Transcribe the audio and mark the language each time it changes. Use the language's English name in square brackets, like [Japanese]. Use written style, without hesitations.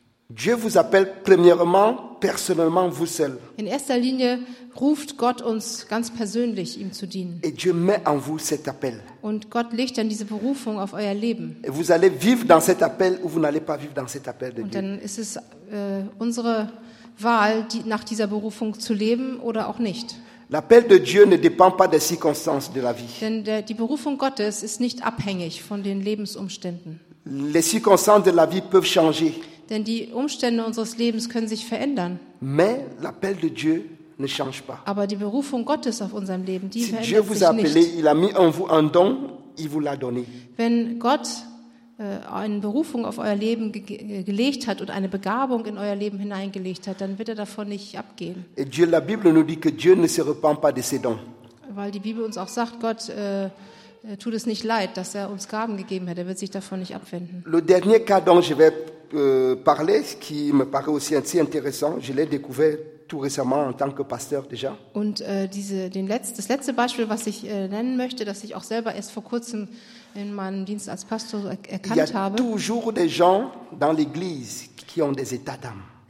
[French] Dieu vous appelle premièrement personnellement vous seul. [German] In erster Linie ruft Gott uns ganz persönlich, ihm zu dienen. [French] Et Dieu met en vous cet appel. [German] Und Gott legt dann diese Berufung auf euer Leben. [French] Et vous allez vivre dans cet appel ou vous n'allez pas vivre dans cet appel de Dieu. [German] Und dann ist es unsere Wahl, nach dieser Berufung zu leben oder auch nicht. [French] L'appel de Dieu ne dépend pas des circonstances de la vie. [German] Denn die Berufung Gottes ist nicht abhängig von den Lebensumständen. [French] Les circonstances de la vie peuvent changer. [German] Denn die Umstände unseres Lebens können sich verändern. [French] Mais l'appel de Dieu ne change pas. [German] Aber die Berufung Gottes auf unserem Leben, die [French] si [German] verändert [French] Dieu vous [German] sich [French] appelé, [German] nicht. [French] Il a mis en vous un don, il vous l'a donné. [German] Wenn Gott eine Berufung auf euer Leben gelegt hat und eine Begabung in euer Leben hineingelegt hat, dann wird er davon nicht abgehen. [French] Et Dieu, la Bible nous dit que Dieu ne se repent pas de ses dons. [German] Weil die Bibel uns auch sagt, Gott tut es nicht leid, dass er uns Gaben gegeben hat. Er wird sich davon nicht abwenden. [French] Le dernier cas dont je vais parler, qui me paraît aussi assez intéressant, je l'ai découvert tout récemment en tant que pasteur déjà. [German] Und das letzte Beispiel, was ich nennen möchte, das ich auch selber erst vor kurzem in meinem Dienst als Pastor erkannt habe. [French] Il y a toujours des gens dans l'église qui ont des états d'âme.